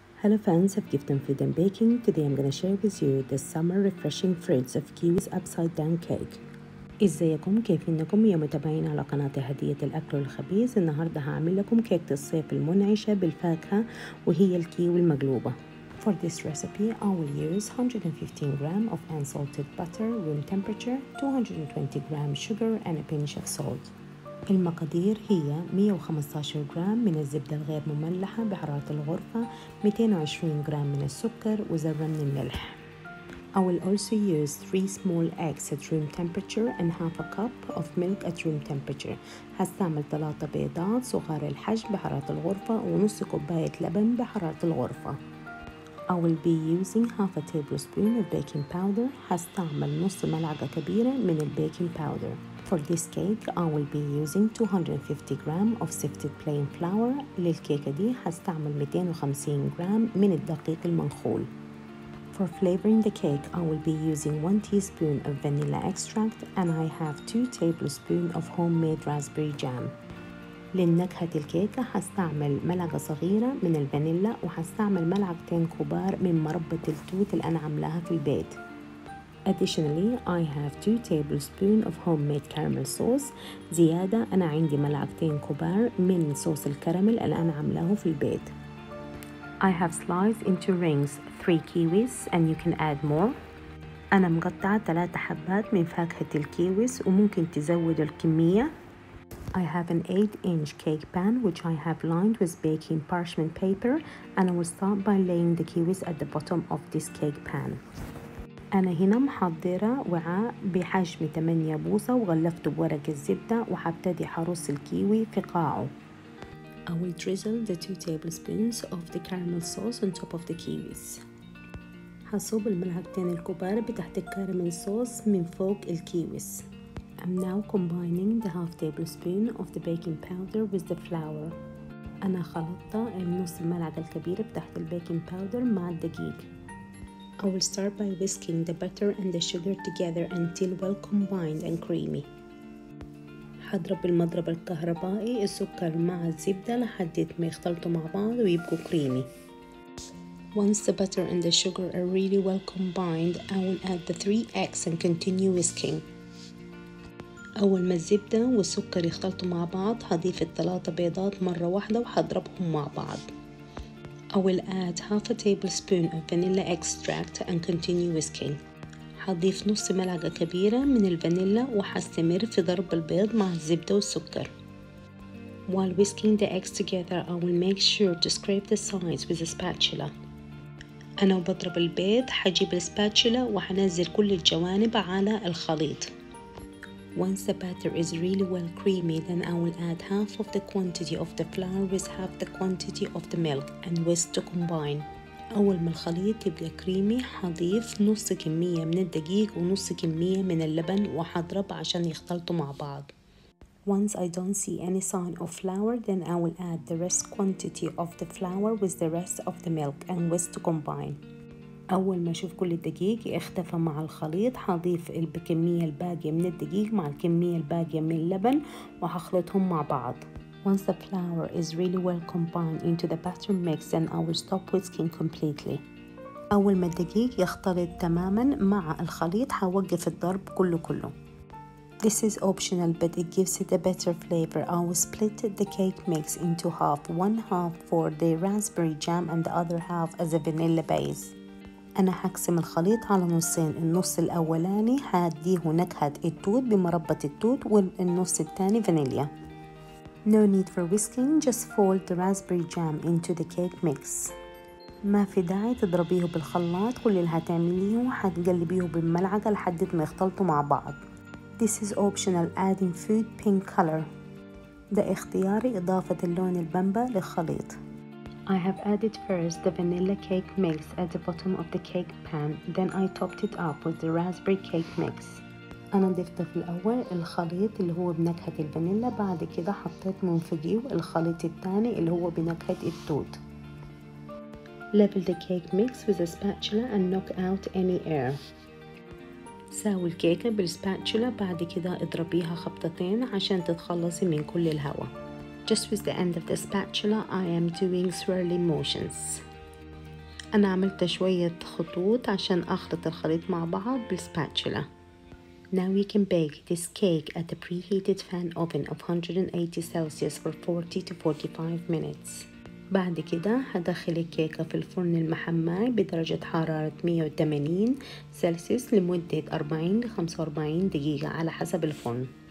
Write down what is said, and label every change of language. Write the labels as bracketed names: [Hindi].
[English] Hello fans of Gift and Food and Baking. Today I'm going to share with you the summer refreshing fruits of Kiwi's Upside Down Cake. [Arabic] ازيكم كيفينكم يا متابعين على قناة هدية الأكل والخبيز؟ النهاردة هعمل لكم كيكة الصيف المنعشة بالفاكهة وهي الكيوي المقلوبة. [English] For this recipe, I will use 115 grams of unsalted butter, room temperature, 220 grams sugar and a pinch of salt. [Arabic] المقادير هي 115 جرام من الزبدة الغير مملحة بحرارة الغرفة 220 جرام من السكر وذرة من الملح [English] I will also use 3 small eggs at room temperature [Arabic] and half a cup of milk at room temperature هستعمل 3 بيضات صغار الحجم بحرارة الغرفة ونص كوباية لبن بحرارة الغرفة [English] I will be using half a tablespoon of baking powder [Arabic] هستعمل نص ملعقة كبيرة من البيكنج باودر [English] For this cake, I will be using 250 grams of sifted plain flour. [Arabic] للكيكة دي هستعمل 250 جرام من الدقيق المنخول. [English] For flavoring the cake, I will be using 1 teaspoon of vanilla extract and I have 2 tablespoons of homemade raspberry jam. [Arabic] للنكهة الكيكة هستعمل ملعقة صغيرة من الفانيلا وهستعمل ملعقتين كبار من مربى التوت اللي أنا عاملاها في البيت. [English] Additionally, I have 2 tablespoons of homemade caramel sauce. [Arabic] زيادة أنا عندي ملعقتين كبار من صوص الكراميل اللي أنا عاملاه في البيت. [English] I have sliced into rings 3 kiwis and you can add more. [Arabic] أنا مقطعة 3 حبات من فاكهة الكيويس وممكن تزود الكمية. [English] I have an 8-inch cake pan which I have lined with baking parchment paper and I will start by laying the kiwis at the bottom of this cake pan. [Arabic] أنا هنا محضرة وعاء بحجم 8 بوصة وغلفته بورق الزبدة وحبتدي حرص الكيوي في قاعه. [English] I will drizzle the 2 tablespoons of the caramel sauce on top of the kiwis. [Arabic] هصب الملعقتين الكبار بتحت الكاراميل صوص من فوق الكيويس. [English] I'm now combining the half tablespoon of the baking powder with the flour. [Arabic] أنا خلطت النص الملعقة الكبيرة بتحت البيكنج باودر مع الدقيق. [English] I will start by whisking the butter and the sugar together until well combined and creamy. [Arabic] هضرب المضرب الكهربائي السكر مع الزبدة لحد ما يختلطوا مع بعض ويبقوا creamy. [English] Once the butter and the sugar are really well combined, I will add the 3 eggs and continue whisking. [Arabic] أول ما الزبدة والسكر يختلطوا مع بعض هضيف الثلاثة بيضات مرة واحدة وهضربهم مع بعض. [English] I will add half a tablespoon of vanilla extract and continue whisking. [Arabic] هضيف نص ملعقة كبيرة من الفانيلا وهستمر في ضرب البيض مع الزبدة والسكر. [English] While whisking the eggs together, I will make sure to scrape the sides with a spatula. [Arabic] أنا وبضرب البيض هجيب السباتشولا وهنزل كل الجوانب على الخليط. [English] Once the batter is really well creamy, then I will add half of the quantity of the flour with half the quantity of the milk and whisk to combine. [Arabic] أول ما الخليط يبقى creamy, هضيف نص كمية من الدقيق ونص كمية من اللبن وهضرب عشان يختلطوا مع بعض. [English] Once I don't see any sign of flour, then I will add the rest quantity of the flour with the rest of the milk and whisk to combine. [Arabic] أول ما أشوف كل الدقيق اختفى مع الخليط هضيف الكمية الباقية من الدقيق مع الكمية الباقية من اللبن وهخلطهم مع بعض. [English] Once the flour is really well combined into the batter mix, then I will stop whisking completely. [Arabic] أول ما الدقيق يختلط تماماً مع الخليط هوقف الضرب كله. [English] This is optional, but it gives it a better flavor. I will split the cake mix into half, one half for the raspberry jam and the other half as a vanilla base. [Arabic] أنا هقسم الخليط على نصين النص الأولاني هديه نكهة التوت بمربة التوت والنص الثاني فانيليا [English] No need for whisking, just fold the raspberry jam into the cake mix [Arabic] ما في داعي تضربيه بالخلاط كل اللي هتعمليه هتقلبيه بالملعقة لحد ما يختلطوا مع بعض [English] This is optional, adding food pink color [Arabic] ده اختياري إضافة اللون البمبة للخليط [English] I have added first the vanilla cake mix at the bottom of the cake pan, then I topped it up with the raspberry cake mix. [Arabic] أنا ضفت في الأول الخليط اللي هو بنكهة الفانيلا بعد كده حطيت من فوقيه الخليط الثاني اللي هو بنكهة التوت. [English] Level the cake mix with a spatula and knock out any air. [Arabic] ساوي الكيكة بالسباتشولا بعد كده اضربيها خبطتين عشان تتخلصي من كل الهواء. [English] Just with the end of the spatula, I am doing swirly motions. [Arabic] انا عملت شوية خطوط عشان اخلط الخليط مع بعض بالسباتشولا. [English] Now you can bake this cake at a preheated fan oven of 180 Celsius for 40 to 45 minutes. [Arabic] بعد كده هدخل الكيكة في الفرن المحمي بدرجة حرارة 180 سلسيوس لمدة 40 45 دقيقة على حسب الفرن.